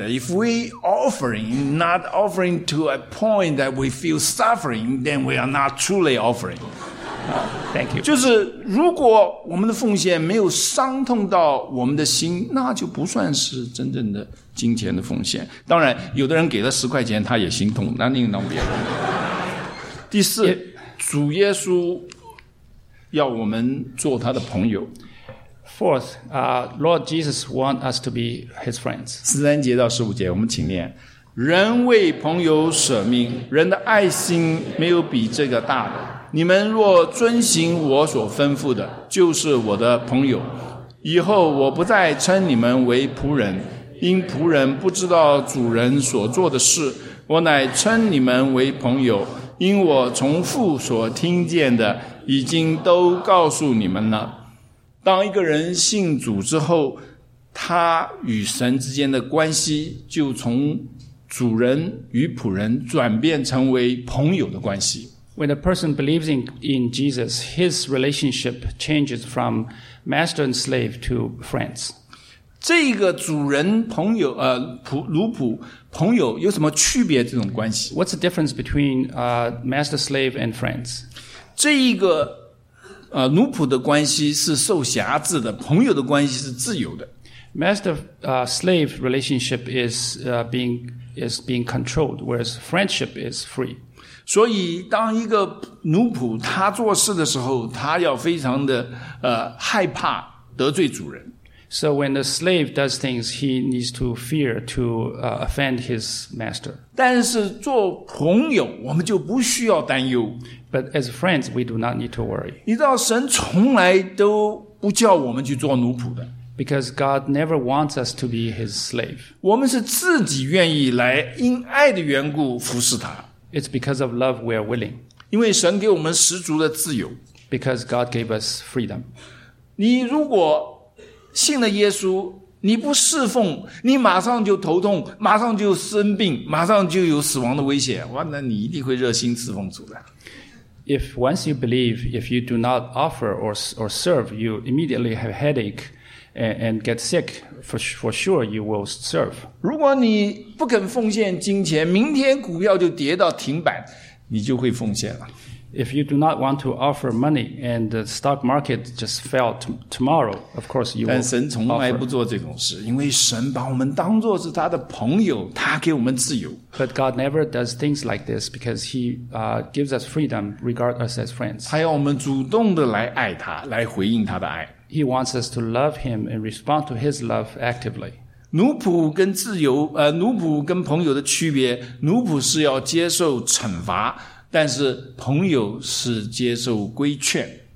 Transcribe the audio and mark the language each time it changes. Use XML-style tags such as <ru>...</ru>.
<en>If we offering, not offering to a point that we feel suffering, then we are not truly offering. Thank you.</en> <zh>就是如果我们的奉献没有伤痛到我们的心，那就不算是真正的金钱的奉献。当然，有的人给了十块钱，他也心痛，那另当别论。第四，主耶稣要我们做他的朋友。</zh> <en>Fourth, Lord Jesus wants us to be his friends.</en> <zh>十三节到十五节我们请念。人为朋友舍命，人的爱心没有比这个大的。你们若遵行我所吩咐的，就是我的朋友。以后我不再称你们为仆人，因仆人不知道主人所做的事，我乃称你们为朋友，因我从父所听见的已经都告诉你们了。当一个人信主之后，他与神之间的关系就从主人与仆人转变成为朋友的关系。</zh> <en>When a person believes in Jesus, his relationship changes from master and slave to friends.</en> <zh>这个主人朋友奴仆朋友有什么区别这种关系？</zh> <en>What's the difference between master slave and friends?</en> <zh>这一个奴仆的关系是受辖制的，朋友的关系是自由的。</zh> <en>Master slave relationship is being controlled, whereas friendship is free.</en> <zh>所以当一个奴仆他做事的时候，他要非常的害怕得罪主人。</zh> <en>So when the slave does things, he needs to fear to offend his master.</en> <zh>但是做朋友，我们就不需要担忧。</zh> <en>But as friends, we do not need to worry.</en> <zh>你知道神从来都不叫我们去做奴仆的。</zh> <en>Because God never wants us to be his slave.</en> <zh>我们是自己愿意来因爱的缘故服侍他。</zh> <en>It's because of love we are willing.</en> <zh>因为神给我们十足的自由。</zh> <en>Because God gave us freedom.</en> <zh>你如果信了耶稣，你不侍奉，你马上就头痛，马上就生病，马上就有死亡的危险。哇，那你一定会热心侍奉主的。</zh> <en>If once you believe, if you do not offer or serve, you immediately have headache and get sick. For sure, you will serve.</en> <zh>如果你不肯奉献金钱，明天股票就跌到停板，你就会奉献了。</zh> <en>If you do not want to offer money and the stock market just fell tomorrow, of course you will.</en> <zh>但神从来不做这种事，因为神把我们当作是他的朋友，他给我们自由。</zh> <en>But God never does things like this because He gives us freedom, regard us as friends.</en> <zh>他要我们主动的来爱他，来回应他的爱。</zh> <en>He wants us to love Him and respond to His love actively.</en> <zh>奴仆跟自由，奴仆跟朋友的区别，奴仆是要接受惩罚，但是朋友是接受规劝。</zh>